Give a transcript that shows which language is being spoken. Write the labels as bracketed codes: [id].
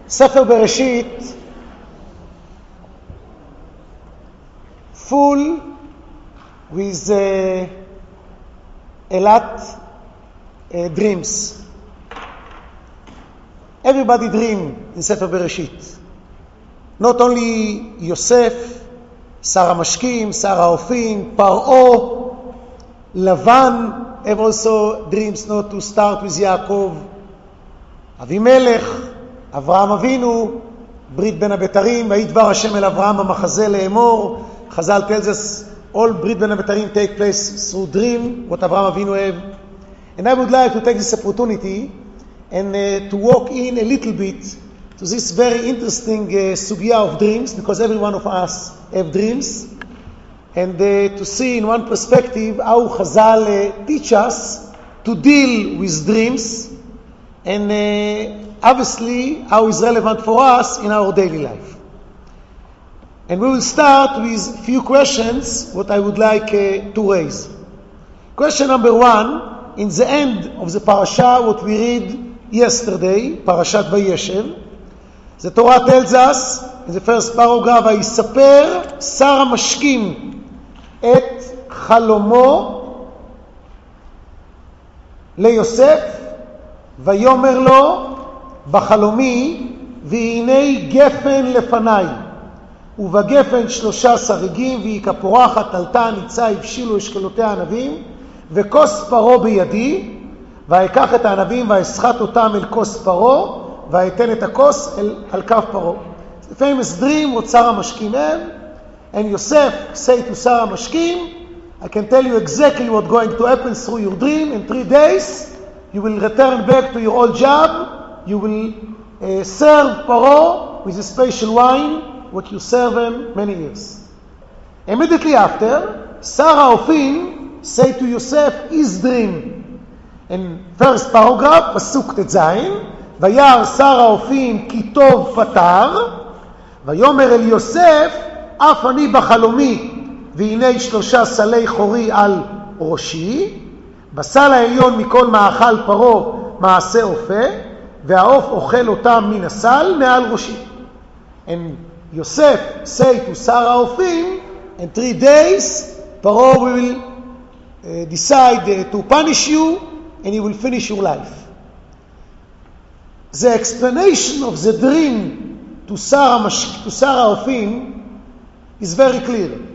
[en] ספר בראשית full with a lot dreams. Everybody dream in ספר בראשית. Not only יוסף, שר המשקים, שר האופים, פרעו, לבן, have also dreams not to start with יעקב, אבימלך, אברהם אבינו, ברית בין הבתרים, [he] והיא דבר השם אל אברהם במחזה לאמור, [en] חזל tells us, all ברית בין הבתרים take place through dream, what אברהם אבינו have. And I would like to take this opportunity and to walk in a little bit to this very interesting sugya of dreams, because every one of us have dreams, and to see in one perspective how Chazal teach us to deal with dreams, and obviously how it's relevant for us in our daily life. And we will start with a few questions what I would like to raise. Question number one, in the end of the parasha, what we read yesterday, Parashat Vayeshev, the Torah tells us, in the first paragraph, [he] ויספר שר המשקים את חלומו ליוסף, ויאמר לו בחלומי, והנה גפן לפניי, ובגפן 13 רגים, והיא כפורחת, תלתה, ניצה, הבשילו אשכלותי הענבים, וכוס פרו בידי, ויקח את הענבים ויסחט אותם אל כוס פרו, ויתן את הכוס אל, על קו פרו. [en] The famous dream what שר המשקים הם, and יוסף say to שר המשקים, I can tell you exactly what going to happen through your dream, in 3 days, you will return back to your old job, you will serve פרו with a special wine, what you serve him many years. Immediately after, שר האופים say to יוסף his dream, and first paragraph, [he] פסוק תזיין, ויער שר האופים כי טוב פטר, ויאמר אל יוסף, אף אני בחלומי, והנה 3 סלי חורי על ראשי, בסל העליון מכל מאכל פרו מעשה אופה, והאוף אוכל אותם מן הסל מעל ראשי. [en] And יוסף say to שר האופים, in 3 days, פרו will decide to punish you, and he will finish your life. The explanation of the dream to Sarah to Sarah Ofin is very clear.